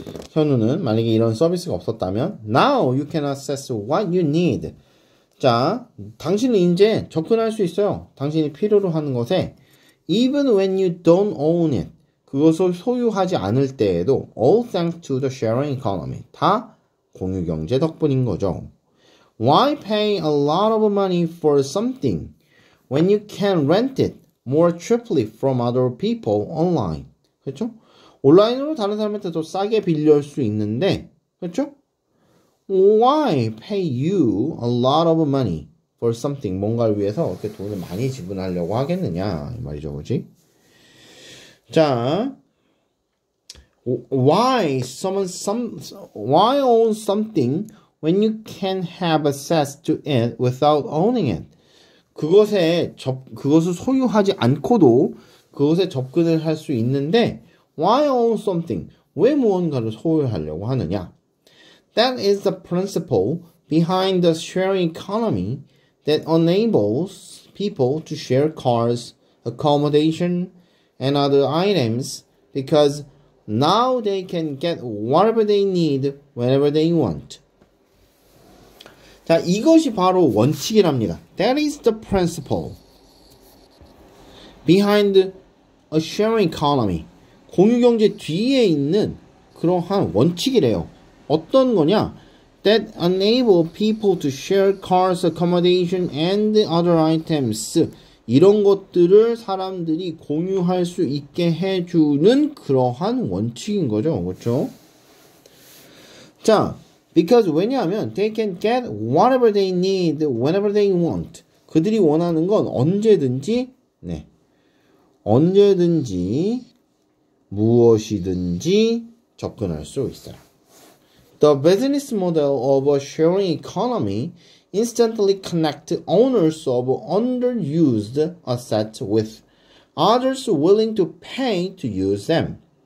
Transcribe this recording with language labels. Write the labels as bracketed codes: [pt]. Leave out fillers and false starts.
[ko] 현우는 만약에 이런 서비스가 없었다면 [en] Now you can access what you need. [ko] 자, 당신은 이제 접근할 수 있어요. 당신이 필요로 하는 것에 [en] Even when you don't own it. [ko] 그것을 소유하지 않을 때에도 [en] All thanks to the sharing economy. [ko] 다 공유 경제 덕분인 거죠. [en] Why pay a lot of money for something when you can rent it more cheaply from other people online? [ko] 그렇죠? 온라인으로 다른 사람한테 더 싸게 빌려올 수 있는데, 그렇죠? [en] Why pay you a lot of money for something? [ko] 뭔가를 위해서 이렇게 돈을 많이 지불하려고 하겠느냐 이 말이죠, 그렇지? [en] 자, why own something when you can have access to it without owning it? [ko] 그것을 소유하지 않고도 그것에 접근을 할수 있는데, [en] why own something? [ko] 왜 무언가를 소유하려고 하느냐? [en] That is the principle behind the sharing economy that enables people to share cars, accommodation, and other items because now they can get whatever they need whenever they want. [ko] 자, 이것이 바로 원칙이랍니다. [en] That is the principle behind a sharing economy. [ko] 공유경제 뒤에 있는 그러한 원칙이래요. 어떤 거냐? [en] That enable people to share cars, accommodation, and other items. [ko] 이런 것들을 사람들이 공유할 수 있게 해주는 그러한 원칙인 거죠. 그렇죠? [en] 자, because 왜냐하면 they can get whatever they need whenever they want. [ko] 그들이 원하는 건 언제든지, 네. 언제든지 무엇이든지 접근할 수 있어요. [en] The business model of a sharing economy instantly connects owners of underused assets with others willing to pay to use them.